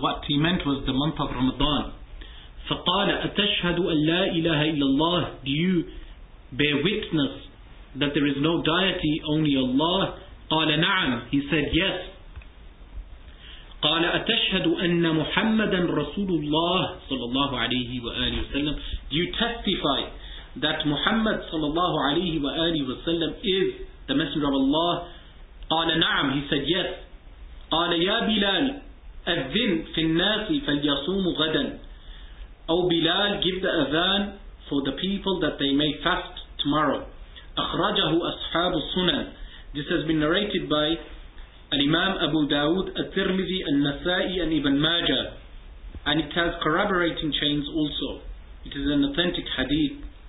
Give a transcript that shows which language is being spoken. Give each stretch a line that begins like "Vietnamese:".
English: What he meant was the month of Ramadan.
Arabic: فقال أتشهد أن لا إله إلا الله.
English: Do you bear witness that there is no deity only Allah?
Arabic: قال نعم.
English: He said yes.
Arabic: قال أتشهد أن محمدا رسول الله صلى الله عليه وآله وسلم.
English: Do you testify that Muhammad
Arabic: صلى الله عليه وآله وسلم
English: is the Messenger of Allah?
Arabic: قال نعم.
English: He said yes.
Arabic: قال يا بلال أذن في الناس فليصوم غدا. أو بلال,
English: give the أذان for the people that they may fast tomorrow.
Arabic: أخرجه أصحاب السنن.
English: This has been narrated by Al-Imam Abu Dawood, Al-Tirmidhi, Al-Nasa'i and Ibn Majah. And it has corroborating chains also. It is an authentic hadith.